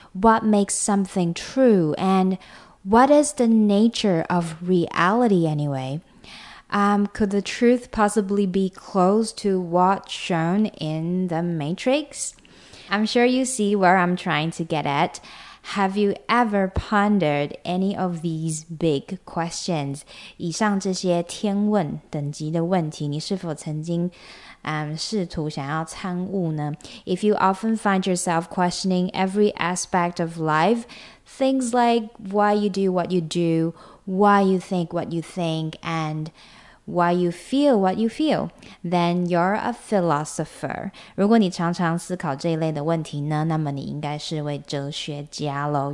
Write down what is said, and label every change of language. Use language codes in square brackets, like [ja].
[en] What makes something true? And what is the nature of reality anyway? Could the truth possibly be close to what's shown in the Matrix? I'm sure you see where I'm trying to get at. Have you ever pondered any of these big questions? [zh] 以上这些天问等级的问题，你是否曾经试图想要参悟呢？ [en] If you often find yourself questioning every aspect of life, things like why you do what you do, why you think what you think, and... why you feel what you feel, then you're a philosopher. [zh] 如果你常常思考这一类的问题呢，那么你应该是位哲学家咯。